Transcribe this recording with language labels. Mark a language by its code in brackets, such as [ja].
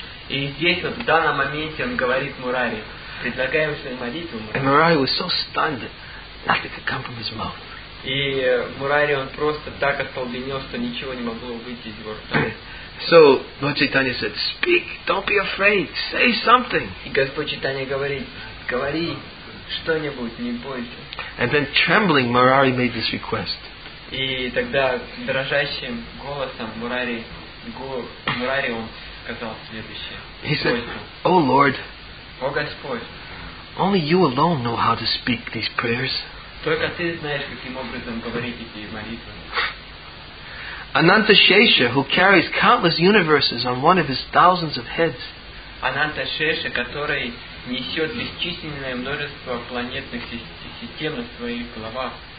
[ru] И здесь, вот, в данном моменте, он говорит Мурари, предлагаем свою молитву, Мурари. [en] And Murari was so stunned that nothing could come from his mouth. [ru] И Мурари, он просто так остолбенел, что ничего не могло выйти из его рта. [en] So, Lord Chaitanya said, speak, don't be afraid, say something. [ru] И Господь Chaitanya говорит, говори что-нибудь, не бойся. [en] And then trembling, Murari made this request. [ru] И тогда дрожащим голосом Мурари он сказал следующее. [en] He said, "O Lord, [ru] O Господь, [en] only you alone know how to speak these prayers. [ru] Только ты знаешь, каким образом говорить эти молитвы." [en] Anantashesha, who carries countless universes on one of his thousands of heads. [ru] Anantashesha, который несет бесчисленное множество планетных систем на своих головах.